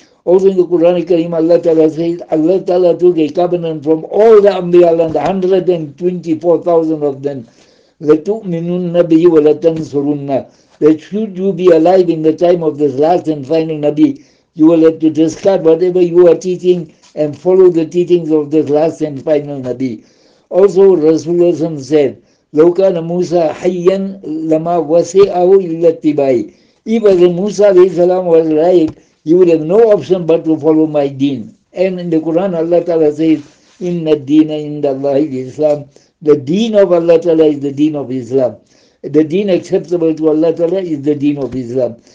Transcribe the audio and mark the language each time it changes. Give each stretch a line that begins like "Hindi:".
English: Also in the Quran Kareem, Allah Ta'ala says, Allah Ta'ala took a covenant from all the Anbiya land, 124,000 of them.
Arabic: لَتُؤْمِنُنَّ بِهِ وَلَتَنْصُرُنَّ.
English: That should you be alive in the time of this last and final Nabi, you will have to discard whatever you are teaching and follow the teachings of this last and final Nabi. Also, Rasulullah said,
Arabic: لَوْ كَانَ مُوسَى حَيًّا لَمَا وَسِعَهُ إِلَّا اتِّبَاعِي.
English: If Musa was right, he would have no option but to follow my deen. And in the Quran, Allah Ta'ala says,
Arabic: إِنَّ الدِّينَ إِنَّ اللَّهِ الْإِسْلَامِ.
English: The deen of Allah Ta'ala is the deen of Islam. The deen acceptable to Allah Ta'ala is the deen of Islam.